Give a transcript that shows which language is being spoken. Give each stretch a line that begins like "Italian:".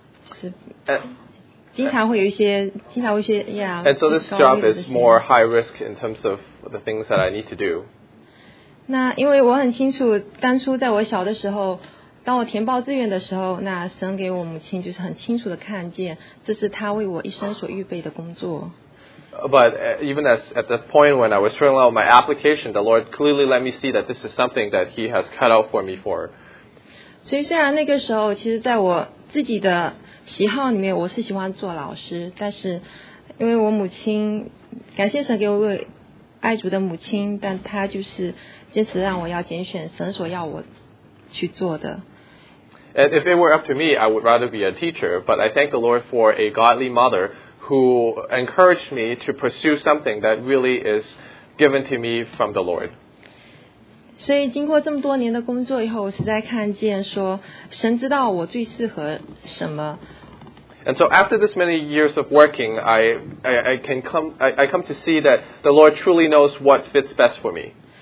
English: And so this job is more high risk in terms of the things that I need to do.
Chinese: 那因为我很清楚，当初在我小的时候，当我填报志愿的时候，那神给我母亲就是很清楚的看见，这是他为我一生所预备的工作。
English: But even as at the point when I was filling out my application, the Lord clearly let me see that this is something that He has cut out for me for.
Chinese: 所以虽然那个时候，其实在我自己的 喜好里面，我是喜欢做老师，但是因为我母亲，感谢神给我一位爱主的母亲，但她就是坚持让我要拣选神所要我去做的。And
English: if it were up to me, I would rather be a teacher, but I thank the Lord for a godly mother who encouraged me to pursue something that really is given to me from the Lord.
Chinese: 所以经过这么多年的工作以后，我实在看见说，神知道我最适合什么。
English: And so after this many years of working, I come to see that the Lord truly knows what fits best for me.